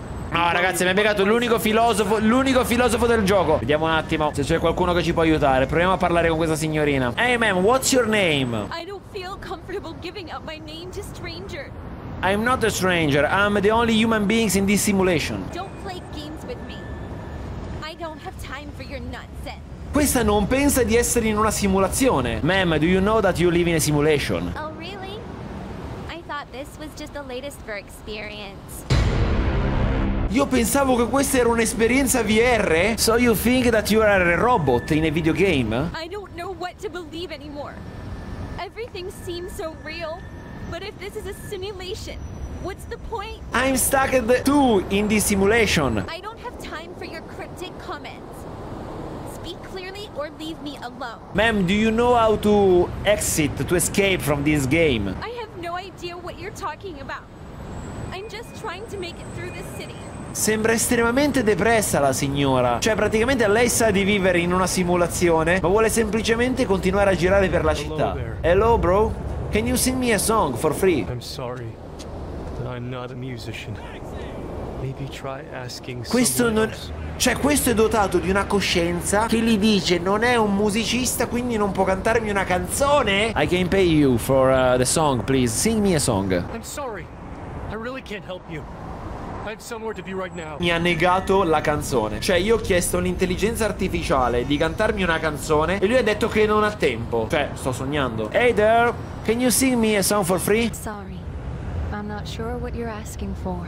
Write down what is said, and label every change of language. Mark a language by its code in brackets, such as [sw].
[it] No, ragazzi, mi ha beccato l'unico filosofo del gioco. Vediamo un attimo se c'è qualcuno che ci può aiutare. Proviamo a parlare con questa signorina. [en] Hey ma'am, what's your name? I don't feel comfortable giving up my name to strangers. I'm not a stranger. I'm the only human beings in this simulation. Don't play games with me. I don't have time for your nonsense. [it] Questa non pensa di essere in una simulazione. [en] Ma'am, do you know that you live in a simulation? Oh, really? I thought this was just the latest for experience. [it] Io pensavo che questa era un'esperienza VR. [en] So you think that you are a robot in a video game? I don't know what to believe anymore. Everything seems so real. But if this is a simulation, what's the point? I'm stuck at the 2 in this simulation. I don't have time for your cryptic comments. Speak clearly or leave me alone. Ma'am, do you know how to exit, to escape from this game? I have no idea what you're talking about. I'm just trying to make it through this city. [it] Sembra estremamente depressa la signora. Cioè, praticamente lei sa di vivere in una simulazione, ma vuole semplicemente continuare a girare per la città. [en] Hello, bro. Can you sing me a song for free? I'm sorry, but I'm not a musician. Maybe try asking someone. [it] Questo non... Cioè, questo è dotato di una coscienza che gli dice non è un musicista, quindi non può cantarmi una canzone? [en] I can pay you for the song, please. Sing me a song. I'm sorry. I really can't help you. I have somewhere to be right now. [it] Mi ha negato la canzone. Cioè, io ho chiesto all'intelligenza artificiale di cantarmi una canzone e lui ha detto che non ha tempo. Cioè, sto sognando. [en] Hey there! Can you sing me a song for free? Sorry, I'm not sure what you're asking for.